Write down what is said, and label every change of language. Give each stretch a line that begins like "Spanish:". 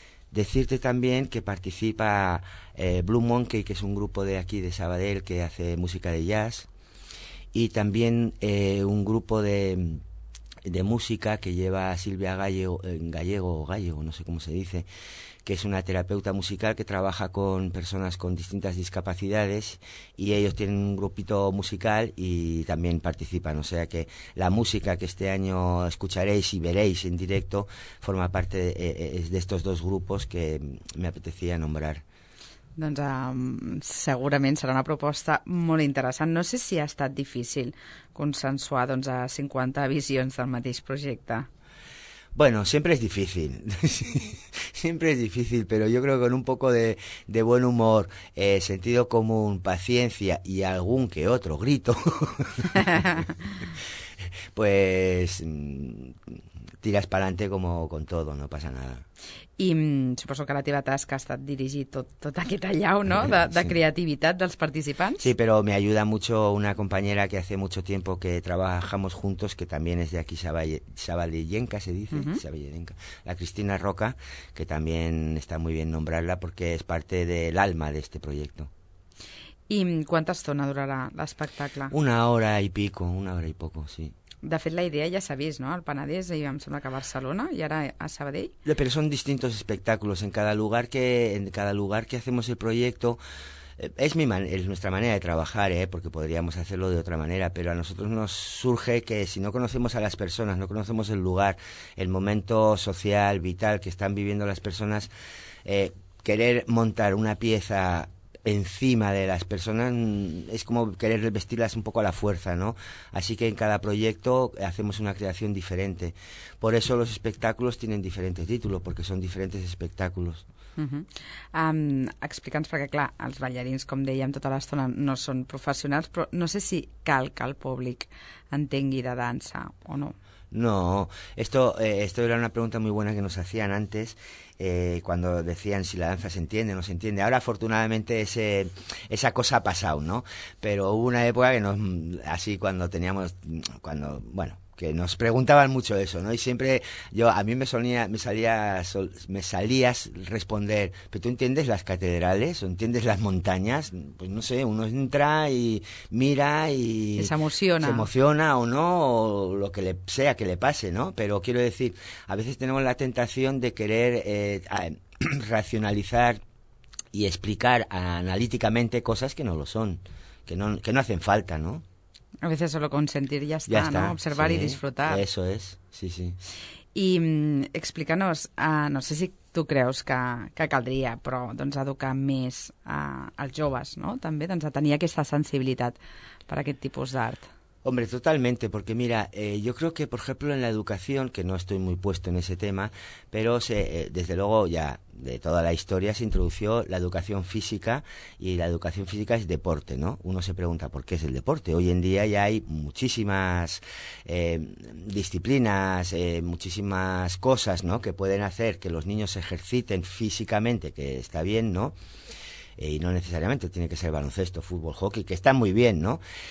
Spanish: Decirte también que participa Blue Monkey, que es un grupo de aquí, de Sabadell, que hace música de jazz, y también un grupo de música que lleva a Silvia Gallego, no sé cómo se dice, que es una terapeuta musical que trabaja con personas con distintas discapacidades, y ellos tienen un grupito musical y también participan. O sea que la música que este año escucharéis y veréis en directo forma parte de estos dos grupos que me apetecía nombrar.
Catalan: Doncs segurament serà una proposta molt interessant. No sé si ha estat difícil consensuar doncs, a 50 visions del mateix projecte.
Spanish: Bueno, siempre es difícil, siempre es difícil, pero yo creo que con un poco de buen humor, sentido común, paciencia y algún que otro grito, pues tiras para adelante como con todo, no pasa nada.
Catalan: I suposo que la teva tasca ha estat dirigir tot aquest allau, no?, de creativitat dels participants.
Spanish: Sí, pero me ayuda mucho una compañera que hace mucho tiempo que trabajamos juntos, que también es de aquí, Sabadellenca, se dice, uh-huh. Sabadellenca, la Cristina Roca, que también está muy bien nombrarla porque es parte del alma de este proyecto.
Catalan: I quanta estona durarà l'espectacle?
Spanish: Una hora y poco, sí.
Catalan: De fet, la idea ja s'ha vist, no? Al Penedès, i em sembla que a Barcelona, i ara a Sabadell.
Spanish: Pero son distintos espectáculos. En cada lugar que hacemos el proyecto, es nuestra manera de trabajar, porque podríamos hacerlo de otra manera, pero a nosotros nos surge que si no conocemos a las personas, no conocemos el lugar, el momento social, vital que están viviendo las personas, querer montar una pieza encima de las personas es como querer vestirlas un poco a la fuerza, ¿no? Así que en cada proyecto hacemos una creación diferente. Por eso los espectáculos tienen diferentes títulos, porque son diferentes espectáculos. Uh-huh.
Catalan: Explica'ns, perquè clar, els ballarins, com dèiem tota l'estona, no són professionals, però no sé si cal que el públic entengui de dansa o no.
Spanish: No, esto era una pregunta muy buena que nos hacían antes, cuando decían si la danza se entiende o no se entiende. Ahora, afortunadamente, esa cosa ha pasado, ¿no? Pero hubo una época que nos, así cuando teníamos, cuando, bueno, que nos preguntaban mucho eso, ¿no? Y siempre yo, a mí me salías responder, ¿pero tú entiendes las catedrales o entiendes las montañas? Pues no sé, uno entra y mira y se emociona. Se emociona o no, o lo que le sea que le pase, ¿no? Pero quiero decir, a veces tenemos la tentación de querer racionalizar y explicar analíticamente cosas que no lo son, que no hacen falta, ¿no? A veces solo con sentir ya está, ¿no? Observar, sí, y disfrutar. Eso es, sí, sí.
Catalan: I explica'ns, no sé si tu creus que caldria, però doncs educar més als joves, no? També, doncs, a tenir aquesta sensibilitat per aquest tipus d'art.
Spanish: Hombre, totalmente, porque mira, yo creo que, por ejemplo, en la educación, que no estoy muy puesto en ese tema, pero desde luego ya de toda la historia se introdujo la educación física, y la educación física es deporte, ¿no? Uno se pregunta, ¿por qué es el deporte? Hoy en día ya hay muchísimas disciplinas, muchísimas cosas, ¿no?, que pueden hacer que los niños se ejerciten físicamente, que está bien, ¿no? Y no necesariamente tiene que ser baloncesto, fútbol, hockey, que está muy bien, ¿no?